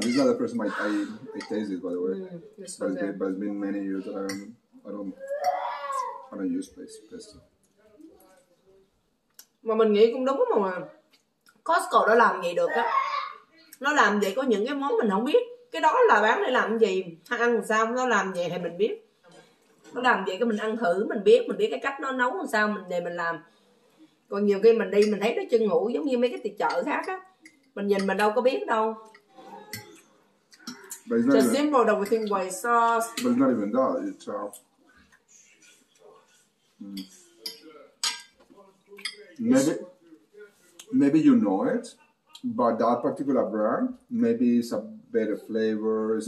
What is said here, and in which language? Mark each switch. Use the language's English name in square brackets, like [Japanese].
[English] This is not the first time I taste it, by the way. But it's been many years that I don't use pesto. [Vietnamese] Mà mình nghĩ cũng đúng mà Costco đã làm gì được á. Nó làm gì có những cái món mình không biết. Cái đó là bán để làm gì, ăn làm sao, nó làm gì thì mình biết. Nó làm gì cái mình ăn thử, mình biết cái cách nó nấu làm sao mình để mình làm. Còn nhiều khi mình đi mình thấy nó chưa ngủ giống như mấy cái tiệc chợ khác á. Mình nhìn mình đâu có biết đâu. [English] But it's not just simple though, within white sauce. But it's not even that, it's Maybe you know it, but that particular brand, maybe it's a better flavor, it's